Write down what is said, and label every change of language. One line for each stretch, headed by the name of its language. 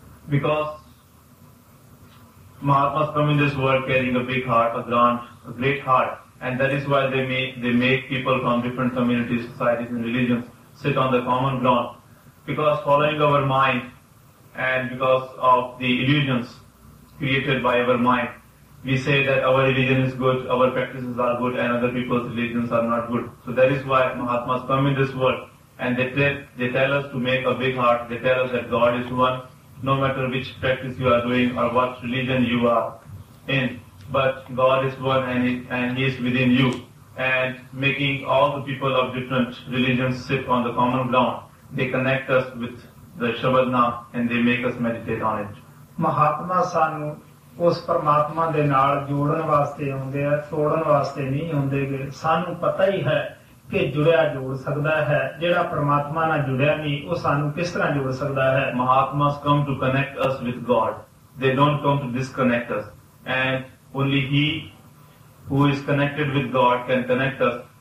English: Because Mahatma come in this world carrying a big heart, a grand, a great heart, and that is why they make people from different community, society, religion sit on the common ground because following our mind and because of the illusions created by our mind. We say that our religion is good, our practices are good, and other people's religions are not good. So that is why Mahatmas come in this world and they tell us to make a big heart. They tell us that God is one, no matter which practice you are doing or what religion you are in. But God is one and He is within you. And making all the people of different religions sit on the common ground, they connect us with the Shabadnam and they make us meditate on it.
Punjabi: Mahatma ਸਾਨੂੰ ਉਸ ਪਰਮਾਤਮਾ ਦੇ ਨਾਲ ਜੋੜਨ ਵਾਸਤੇ ਆਉਂਦੇ ਆ, ਤੋੜਨ ਵਾਸਤੇ ਨਹੀਂ ਆਉਂਦੇ ਗੇ। ਸਾਨੂੰ ਪਤਾ ਹੀ ਹੈ ਕਿ ਜੁੜਿਆ ਜੋੜ ਸਕਦਾ ਹੈ, ਜਿਹੜਾ ਪਰਮਾਤਮਾ ਨਾਲ ਜੁੜਿਆ ਨਹੀਂ ਉਹ ਸਾਨੂੰ ਕਿਸ ਤਰ੍ਹਾਂ ਜੋੜ ਸਕਦਾ ਹੈ।
English: Mahatma come to connect us with God, they don't come to disconnect us, and only he who is connected with God can connect us.